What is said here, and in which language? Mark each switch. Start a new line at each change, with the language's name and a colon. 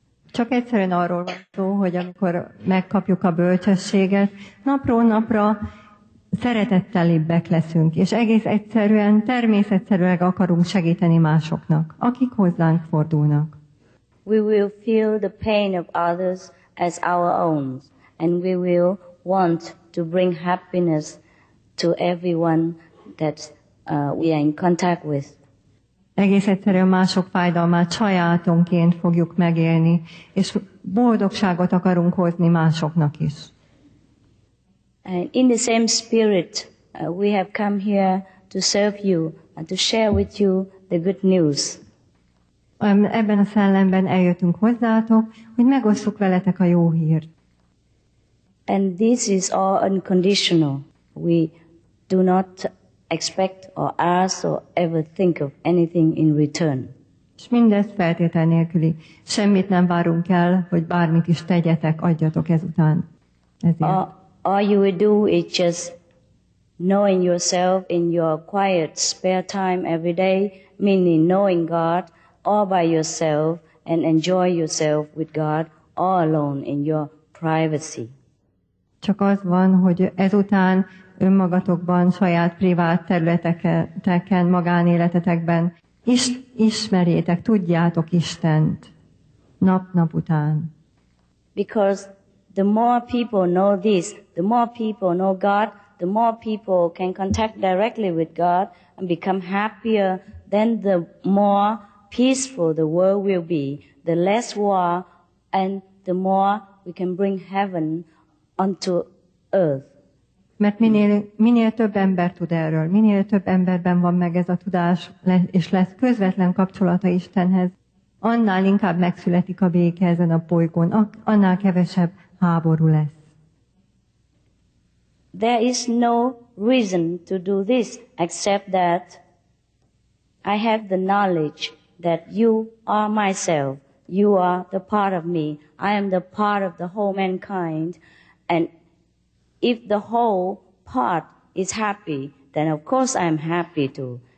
Hungarian: Csak egyszerűen arról van szó, hogy amikor megkapjuk a bölcsességet, napról napra szeretettelibbek leszünk, és egész egyszerűen, természetszerűleg akarunk segíteni másoknak, akik hozzánk fordulnak.
English: We will feel the pain of others as our own, and we will want to bring happiness to everyone that we are in contact with.
Hungarian: Egész egyszerűen mások fájdalmát sajátonként fogjuk megélni, és boldogságot akarunk hozni másoknak is.
English: And in the same spirit, we have come here to serve you and to share with you the good news.
Hungarian: Ebben a szellemben eljöttünk hozzátok, hogy megosszuk veletek a jó hírt.
English: And this is all unconditional. We do not expect or ask or ever think of anything in return.
Hungarian: És mindez feltétel nélküli. Semmit nem várunk el, hogy bármit is tegyetek, adjatok ezután.
English: All you will do is just knowing yourself in your quiet spare time every day, meaning knowing God all by yourself and enjoy yourself with God all alone in your privacy.
Hungarian: Csak az van, hogy ezután önmagatokban, saját privát területeken, magánéletetekben ismerjétek, tudjátok Istent nap-nap után.
English: Because the more people know this, the more people know God, the more people can contact directly with God and become happier, then the more peaceful the world will be, the less war, and the more we can bring heaven onto earth.
Hungarian: Mert minél több ember tud erről, minél több emberben van meg ez a tudás, és lesz közvetlen kapcsolata Istenhez, annál inkább megszületik a béke ezen a bolygón, annál kevesebb háború lesz.
English: There is no reason to do this, except that I have the knowledge that you are myself. You are the part of me. I am the part of the whole mankind. And if the whole part is happy, then of course I am happy too.